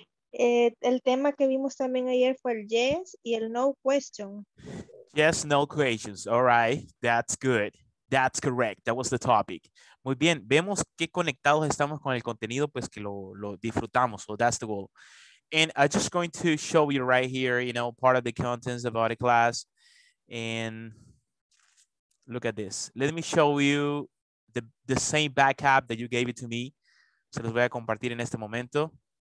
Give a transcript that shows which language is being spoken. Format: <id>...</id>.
<es>El tema que vimos también ayer fue el yes y el no question.</es> <en>Yes, no questions. All right, that's good. That's correct. That was the topic.</en> <es>Muy bien. Vemos qué conectados estamos con el contenido, pues que lo disfrutamos.</es> <en>So that's the goal. And I'm just going to show you right here, you know, part of the contents about the class. And look at this. Let me show you the same backup that you gave it to me.</en> <es>Se los voy a compartir en este momento.</es>